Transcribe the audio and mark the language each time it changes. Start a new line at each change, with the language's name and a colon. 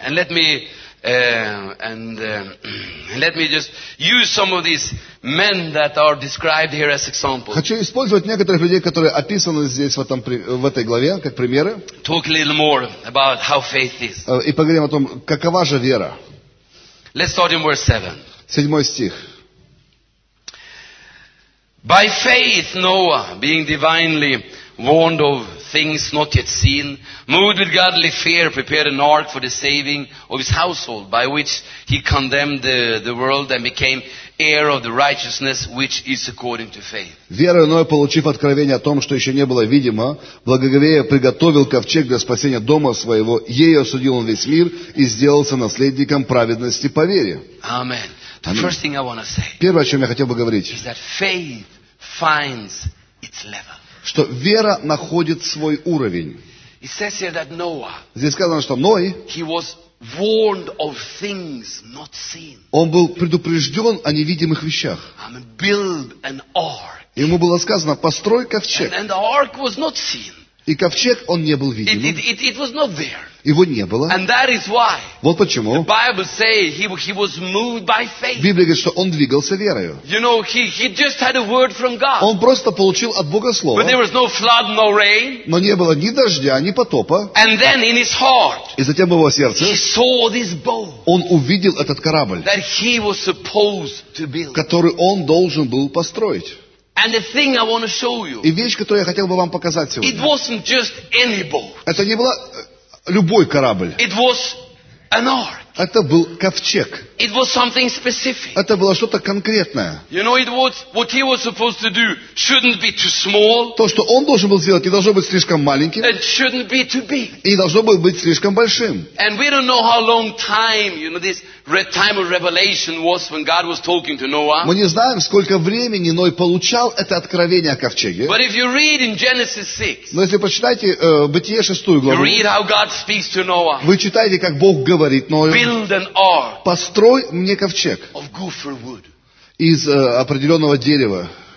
English: And let me let me just use some of these men that are described here as examples.
Russian: Хочу использовать некоторых людей, которые описаны здесь в этой главе, как примеры.
English: Talk a little more about how faith is.
Russian: И поговорим о том, какова же вера.
English: Let's start in verse 7.
Russian: Седьмой стих.
English: By faith Noah, being divinely warned of things not yet seen, moved with godly fear, prepared an ark for the saving of his household, by which he condemned the world and became heir of the righteousness which is according to faith.
Russian: Верою Ноя, получив откровение о том, что еще не было видимо, благоговея приготовил ковчег для спасения дома своего, ею осудил он весь мир и сделался наследником праведности по вере.
English: Amen. The first thing I want to say.
Russian: Первое, о чем я хотел бы говорить.
English: Is that faith finds its level.
Russian: Что вера находит свой уровень.
English: It says here that Noah,
Russian: здесь сказано, что Ной,
English: he was warned of things not seen.
Russian: Он был предупрежден о невидимых вещах.
English: Build an ark.
Russian: Ему было сказано, построй ковчег.
English: And the ark was not seen.
Russian: И ковчег, он не был видим.
English: It was not there.
Russian: Его не было.
English: And that is why,
Russian: вот почему
English: the Bible say he was moved by faith.
Russian: Библия говорит, что он двигался верою.
English: You know, he just had a word from God.
Russian: Он просто получил от Бога слово.
English: But there was no flood, no rain.
Russian: Но не было ни дождя, ни потопа.
English: And then in his heart,
Russian: и затем в его сердце
English: he saw this boat,
Russian: он увидел этот корабль,
English: that he was supposed to build.
Russian: Который он должен был построить.
English: And the thing I want to show you,
Russian: и вещь, которую я хотел бы вам показать сегодня,
English: it wasn't just any boat.
Russian: Это не было любой корабль.
English: It was an ark.
Russian: Это был ковчег.
English: It was something specific.
Russian: Это было что-то конкретное.
English: You know, it was, what he was supposed to do shouldn't be too small.
Russian: То, что он должен был сделать, не должно быть слишком маленьким.
English: It shouldn't be too big.
Russian: И не должно было быть слишком большим.
English: And we don't know how long time, you know, this time of revelation was when God was talking to Noah.
Russian: Мы не знаем, сколько времени Ной получал это откровение о ковчеге.
English: But if you read in Genesis 6,
Russian: но если почитаете Бытие 6 главу,
English: you read how God speaks to Noah.
Russian: Вы читаете, как Бог говорит Ною.
English: build an ark.
Russian: Построй мне ковчег
English: of gopher wood.
Russian: Из определенного дерева.